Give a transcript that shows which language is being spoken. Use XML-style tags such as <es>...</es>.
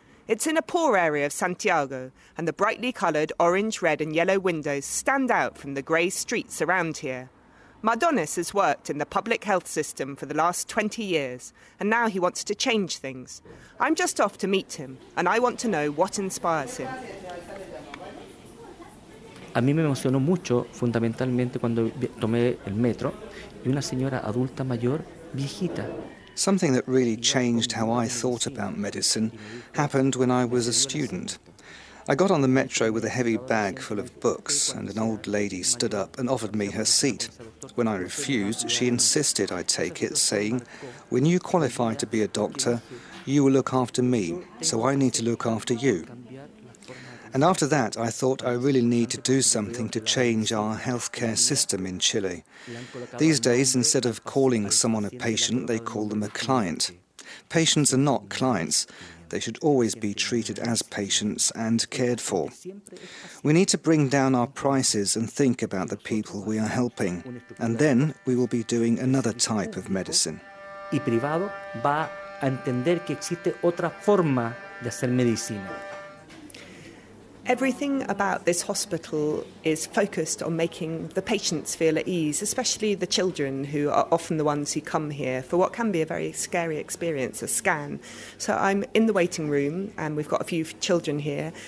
<en>It's in a poor area of Santiago, and the brightly coloured orange, red and yellow windows stand out from the grey streets around here. Mardones has worked in the public health system for the last 20 years, and now he wants to change things. I'm just off to meet him, and I want to know what inspires him.</en> <es>A mí me emocionó mucho, fundamentalmente, cuando tomé el metro, y una señora adulta mayor, viejita.</es> <en>Something that really changed how I thought about medicine happened when I was a student. I got on the metro with a heavy bag full of books, and an old lady stood up and offered me her seat. When I refused, she insisted I take it, saying, "When you qualify to be a doctor, you will look after me, so I need to look after you." And after that, I thought I really need to do something to change our healthcare system in Chile. These days, instead of calling someone a patient, they call them a client. Patients are not clients. They should always be treated as patients and cared for. We need to bring down our prices and think about the people we are helping. And then we will be doing another type of medicine.</en> <es>Y privado va a entender que existe otra forma de hacer medicina.</es> <en>Everything about this hospital is focused on making the patients feel at ease, especially the children who are often the ones who come here for what can be a very scary experience, a scan. So I'm in the waiting room and we've got a few children here.</en>